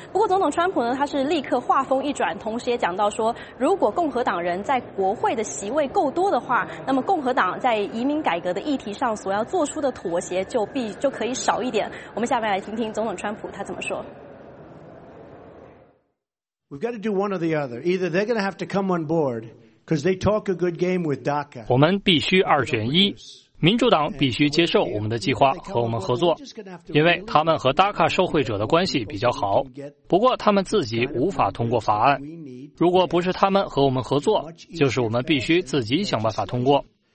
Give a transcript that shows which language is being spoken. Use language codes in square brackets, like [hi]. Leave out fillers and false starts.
[zh] 不过总统川普呢，他是立刻话锋一转，同时也讲到说，如果共和党人在国会的席位够多的话，那么共和党在移民改革的议题上所要做出的妥协就可以少一点。我们下面来听听总统川普他怎么说。 [en] We've got to do one or the other. Either they're going to have to come on board. Because they talk a good game with DACA. [zh] 我们必须二选一，民主党必须接受我们的计划和我们合作，因为他们和 DACA 受惠者的关系比较好。不过他们自己无法通过法案，如果不是他们和我们合作，就是我们必须自己想办法通过。